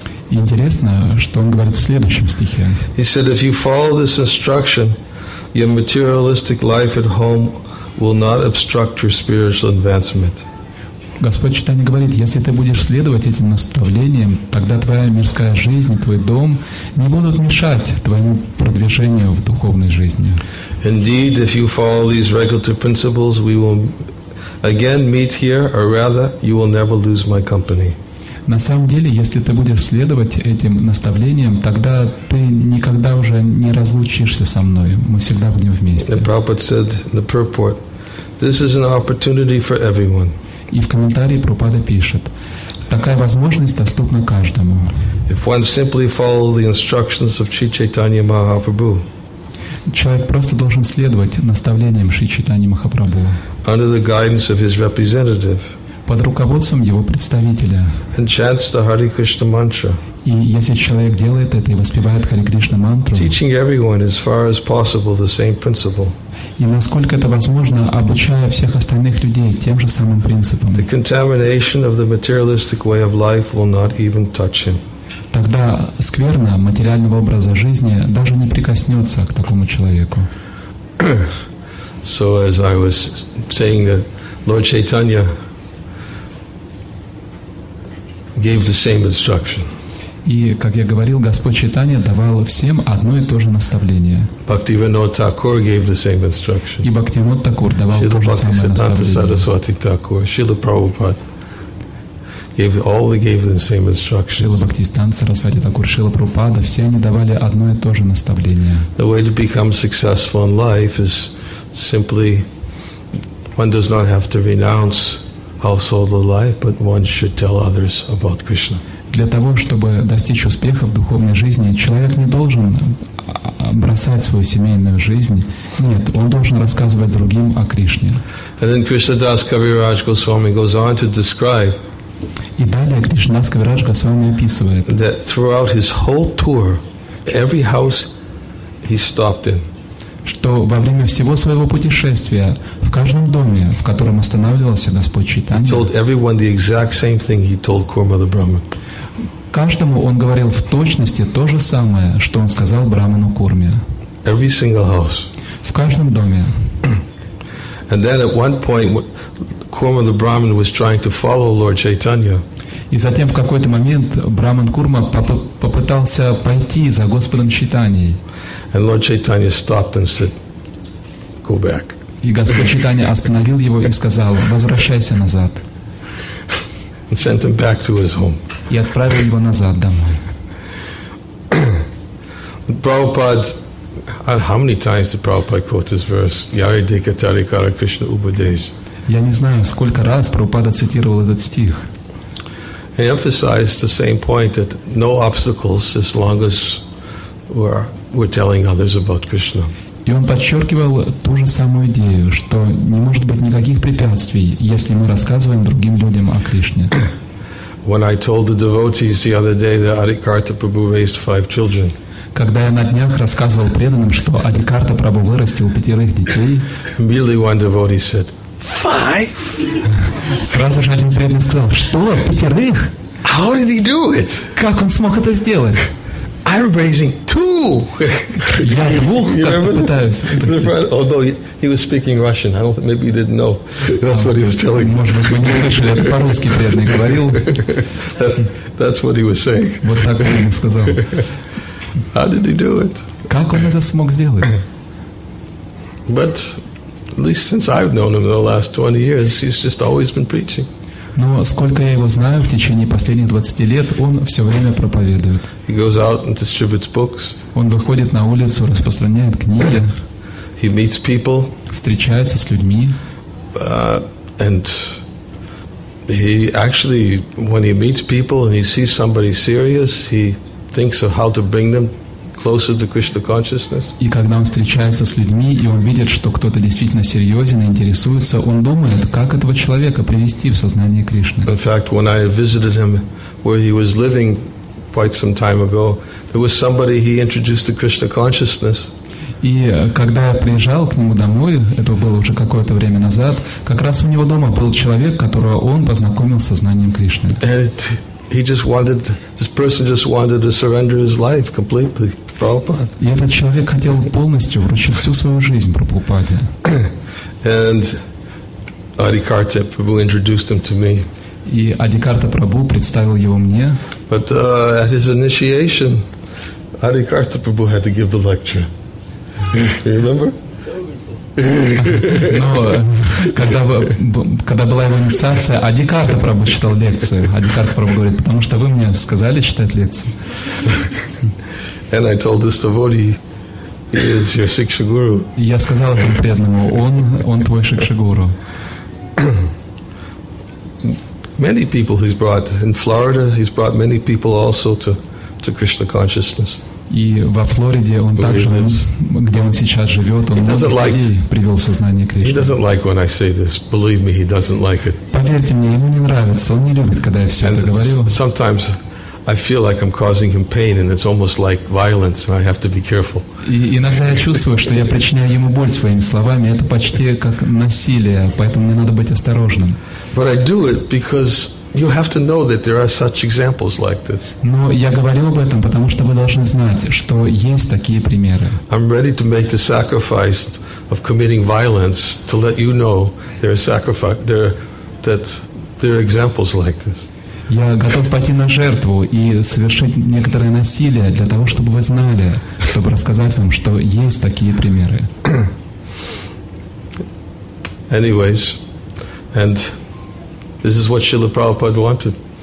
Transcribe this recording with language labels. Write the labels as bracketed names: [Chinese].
[Russian] Интересно, что он говорит в следующем стихе. [English] He said, if you follow this instruction, your materialistic life at home will not obstruct your spiritual advancement. [Russian] Господь Чайтанья говорит, если ты будешь следовать этим наставлениям, тогда твоя мирская жизнь, твой дом не будут мешать твоему продвижению в духовной жизни. [English] Indeed, if you follow these regulative principles, we will again meet here, or rather, you will never lose my company. [Russian] На самом деле, если ты будешь следовать этим наставлениям, тогда ты никогда уже не разлучишься со мной. Мы всегда будем вместе. [English] Prabhupada said in the purport, this is an opportunity for everyone. [Russian] И в комментарии Прабхупада пишет, такая возможность доступна каждому. [English] If one simply follows the instructions of Sri Chaitanya Mahaprabhu, [Russian] человек просто должен следовать наставлениям Шри Чайтаньи Махапрабху. [English] Under the guidance of his representative, [Russian] под руководством его представителя. [English] And chants the Hare Krishna mantra. [Russian] И если человек делает это и воспевает Хари Кришна мантру, [English] teaching everyone as far as possible the same principle. [Russian] И насколько это возможно, обучая всех остальных людей тем же самым принципам. [English] The contamination of the materialistic way of life will not even touch him. [Russian] Тогда скверна материального образа жизни даже не прикоснется к такому человеку. [English] So as I was saying, that Lord Chaitanya gave the same instruction. [Russian] И, как я говорил, Господь Чайтанья давал всем одно и то же наставление. [English] Бхактивинода Такур gave the same instruction. [Russian] И Бхактивинода Такур давал то же самое наставление. [English] Шрила Бхактисиддханта Сарасвати Такур, Шрила Прабхупада gave the same instructions. [Russian] Шрила Бхактисиддханта Сарасвати Такур, Шрила Прабхупада, все они давали одно и то же наставление. [English] The way to become successful in life is simply one does not have to renounce household life, but one should tell others about Krishna. [Russian] Для того, чтобы достичь успеха в духовной жизни, человек не должен бросать свою семейную жизнь. Нет, он должен рассказывать другим о Кришне. [English] And then Krishna Das Kaviraj Goswami goes on to describe. [Russian] И далее Кришна Дас Кавирадж Госвами описывает. [English] That throughout his whole tour, every house he stopped in. [Russian] Что во время всего своего путешествия в каждом доме, в котором останавливался Господь Чайтанья, [English] he told everyone the exact same thing he told Kurma the Brahmin. [Russian] Каждому он говорил в точности то же самое, что он сказал Брахману Курме. [English] Every single house. [Russian] В каждом доме. [English] And then at one point, Kurma the Brahmin was trying to follow Lord Chaitanya. [Russian] И затем в какой-то момент Брахман Курма попытался пойти за Господом Чайтаньей. [English] And Lord Chaitanya stopped and said, "Go back." [Russian] И Господь Чайтанья остановил его и сказал: "Возвращайся назад." [English] And sent him back to his home. [Russian] И отправил его назад домой. [English] Prabhupada, how many times did Prabhupada quote this verse? [Bangla] Yari Dekatari Kara Krishna Upadesh. [Russian] Я не знаю, сколько раз Прабхупада цитировал этот стих. [English] He emphasized the same point that no obstacles, as long as we're telling others about Krishna. [Russian] И он подчеркивал ту же самую идею, что не может быть никаких препятствий, если мы рассказываем другим людям о Кришне. [English] When I told the devotees the other day that Adhikartha Prabhu raised 5 children. [Russian] Когда я на днях рассказывал преданным, что Адхикарта Прабху вырастил 5 детей, [English] immediately one devotee said, 5? [Russian] Сразу же один преданный сказал, что 5? [English] How did he do it? [Russian] Как он смог это сделать? [English] I'm raising 2. [Russian] Я 2 как-то пытаюсь. [English] Although he was speaking Russian, I don't think, maybe he didn't know. That's what he was telling. [Russian] Может быть, вы не слышали, это по-русски преданный говорил. [English] That's what he was saying. [Russian] Вот так он мне сказал. [English] How did he do it? [Russian] Как он это смог сделать? [English] But at least since I've known him in the last 20 years, he's just always been preaching. [Russian] Но сколько я его знаю, в течение последних 20 лет он все время проповедует. [English] He goes out and distributes books. [Russian] Он выходит на улицу, распространяет книги. [English] He meets people. [Russian] Встречается с людьми. [English] And he actually, when he meets people and he sees somebody serious, he thinks of how to bring them closer to Krishna consciousness. [Russian] И когда он встречается с людьми и он видит, что кто-то действительно серьезен и интересуется, он думает, как этого человека привести в сознание Кришны. [English] In fact, when I visited him where he was living quite some time ago, there was somebody he introduced to Krishna consciousness. [Russian] И когда я приезжал к нему домой, это было уже какое-то время назад, как раз у него дома был человек, которого он познакомил с сознанием Кришны. [English] This person just wanted to surrender his life completely to Prabhupada. [Russian] И этот человек хотел полностью вручить всю свою жизнь Прабхупаде. [English] And Adhikartha Prabhu introduced him to me. [Russian] И Адхикарта Прабху представил его мне. [English] But at his initiation, Adhikartha Prabhu had to give the lecture. You remember? [Russian] Но когда была его инициация, Адхикарта Прабху читал лекцию. Адхикарта Прабху говорит, потому что вы мне сказали читать лекцию. [English] And I told this devotee, he is your Shiksha Guru. [Russian] Я сказал этому преданному, он твой Shiksha Guru. [English] Many people he's brought in Florida, he's brought many people also to Krishna consciousness. [Russian] И во Флориде он также, где он сейчас живет, он многих людей привел в сознание Кришны. [English] He doesn't like when I say this. Believe me, he doesn't like it. [Russian] Поверьте мне, ему не нравится. Он не любит, когда я все это говорю. [English] Sometimes I feel like I'm causing him pain, and it's almost like violence, and I have to be careful. [Russian] И иногда я чувствую, что я причиняю ему боль своими словами. Это почти как насилие, поэтому мне надо быть осторожным. [English] But I do it because you have to know that there are such examples like this. [Russian] Но я говорю об этом, потому что вы должны знать, что есть такие примеры. [English] I'm ready to make the sacrifice of committing violence to let you know there are examples like this. [Russian] Я готов пойти на жертву и совершить некоторое насилие для того, чтобы вы знали, чтобы рассказать вам, что есть такие примеры. [English] Anyways, and this is what Srila Prabhupada wanted.